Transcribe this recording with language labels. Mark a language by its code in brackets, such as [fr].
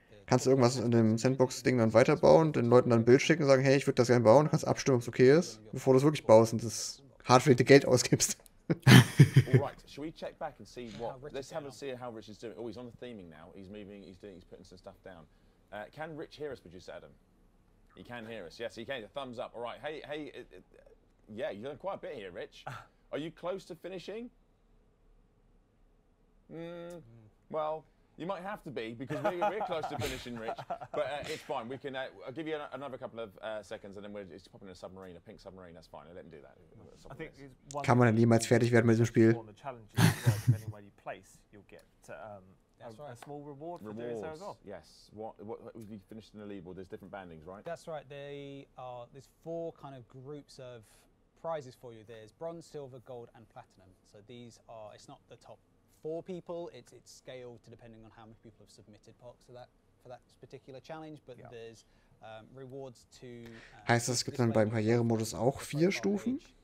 [de] kannst du irgendwas in dem Sandbox-Ding dann weiterbauen, den Leuten dann ein Bild schicken und sagen, hey, ich würde das gerne bauen, kannst abstimmen, ob es okay ist, bevor du es wirklich baust und das hart verdiente Geld ausgibst. [en] Alright, should we check back and see what, let's have a see how Rich is doing. Oh, he's on the theming now, he's moving, he's doing, he's putting some stuff down. Can Rich hear us, producer Adam? He can hear us, yes, he can, thumbs up. Alright, hey, yeah, you're doing quite a bit here, Rich. Are you close to finishing? Well, you might have to be because we're close to finishing, Rich. But it's fine. We can I'll give you another couple of seconds, and then we're just popping in a submarine, a pink submarine. That's fine. I let him do that. I think one [de] kann man niemals fertig werden mit diesem Spiel. [en] The challenges, depending where you place, you'll get a small reward for rewards. Doing so as well. Yes. What we've finished in the leaderboard. There's different bandings, right? That's right. There's four kind of groups of prizes for you. There's bronze, silver, gold, and platinum. So these are. It's not the top. Four people, it's scaled to depending on how many people have submitted parks for that particular challenge, but yeah. There's rewards to [de] heißt das, gibt dann beim Karrieremodus auch vier Stufen?